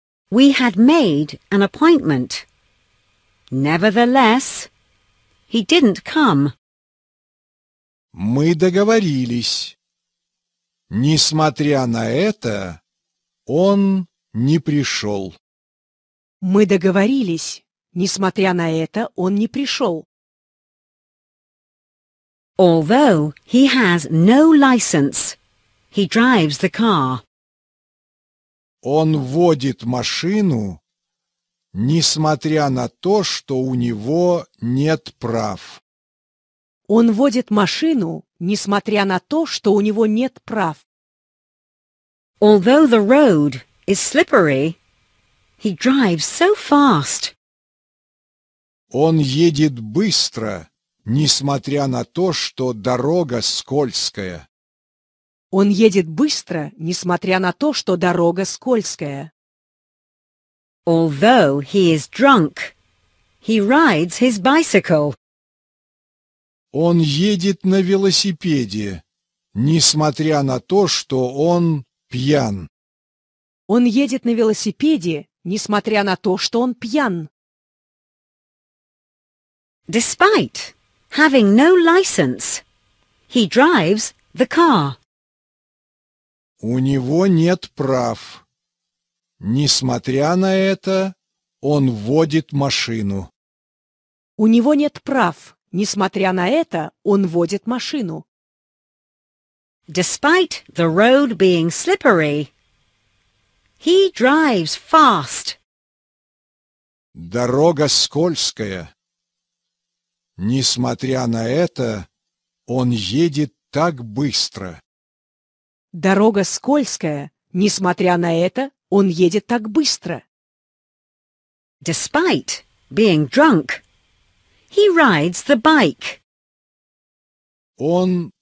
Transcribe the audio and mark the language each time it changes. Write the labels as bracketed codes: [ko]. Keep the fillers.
[en] We had made an appointment. Nevertheless, he didn't come. [ru] Мы договорились. Несмотря на это, он не пришел. Мы договорились. Несмотря на это, он не пришел. [en] Although he has no license, he drives the car. [ru] Он водит машину, несмотря на то, что у него нет прав. Он водит машину, несмотря на то, что у него нет прав. [en] Although the road is slippery, he drives so fast. [ru] Он едет быстро, несмотря на то, что дорога скользкая. Он едет быстро, несмотря на то, что дорога скользкая. [en] Although he is drunk, he rides his bicycle. [ru] Он едет на велосипеде, несмотря на то, что он пьян. Он едет на велосипеде, несмотря на то, что он пьян. [en] Despite having no license, he drives the car. [ru] У него нет прав. Несмотря на это, он водит машину. У него нет прав. Несмотря на это, он водит машину. [en] Despite the road being slippery, he drives fast. [ru] Дорога скользкая. Несмотря на это, он едет так быстро. Дорога скользкая. Несмотря на это, он едет так быстро. [en] Despite being drunk, he rides the bike. [ru] Он